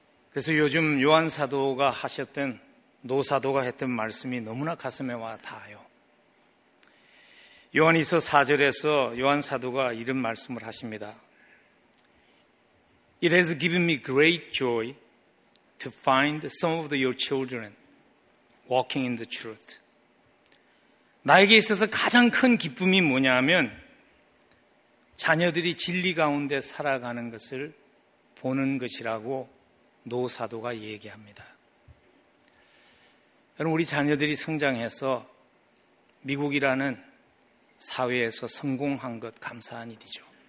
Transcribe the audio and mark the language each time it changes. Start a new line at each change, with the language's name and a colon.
Korean: 그래서 요즘 요한사도가 하셨던, 노사도가 했던 말씀이 너무나 가슴에 와 닿아요. 요한이서 4절에서 요한사도가 이런 말씀을 하십니다.
English: It has given me great joy to find some of your children walking in the truth.
Korean: 나에게 있어서 가장 큰 기쁨이 뭐냐면 자녀들이 진리 가운데 살아가는 것을 보는 것이라고 노사도가 얘기합니다. 여러분, 우리 자녀들이 성장해서 미국이라는 사회에서 성공한 것 감사한 일이죠.